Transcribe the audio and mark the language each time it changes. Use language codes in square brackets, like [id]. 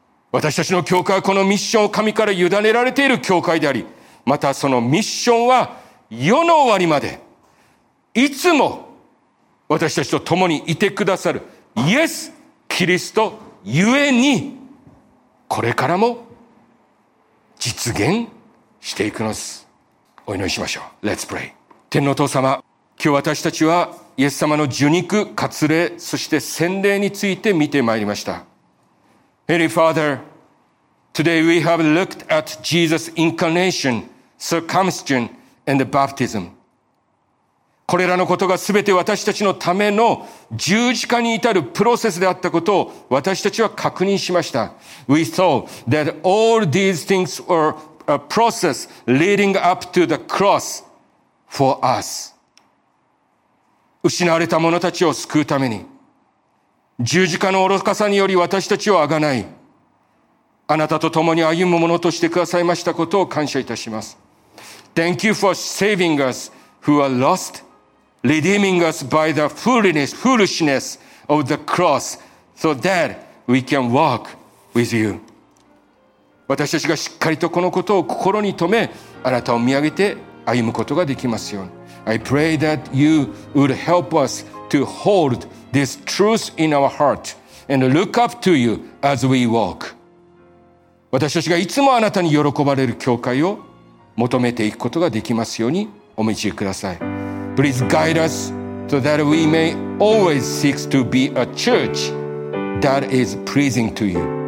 [ja] 私たちの教会はこのミッションを神から委ねられている教会であり、またそのミッションは世の終わりまでいつも私たちと共にいてくださるイエス・キリストゆえに、これからも実現していくのです。お祈りしましょう。 [en] Let's pray. [ja] 天のお父様、今日私たちはイエス様の受肉、割礼、そして洗礼について見てまいりました。 [en] Heavenly Father, today we have looked at Jesus' incarnation, circumcision, and the baptism. [ja] これらのことがすべて私たちのための十字架に至るプロセスであったことを私たちは確認しました。 [en] We saw that all these things were a process leading up to the cross for us. [ja] 失われた者たちを救うために、十字架の愚かさにより私たちを贖い、あなたと共に歩む者としてくださいましたことを感謝いたします。 [en] Thank you for saving us who are lost, redeeming us by the foolishness of the cross, so that we can walk with you. [ja] 私たちがしっかりとこのことを心に留め、あなたを見上げて歩むことができますように。 [en] I pray that you would help us to hold this truth in our heart and look up to you as we walk. [ja] 私たちがいつもあなたに喜ばれる教会を求めていくことができますようにお導きください。 [en] Please guide us so that we may always seek to be a church that is pleasing to you.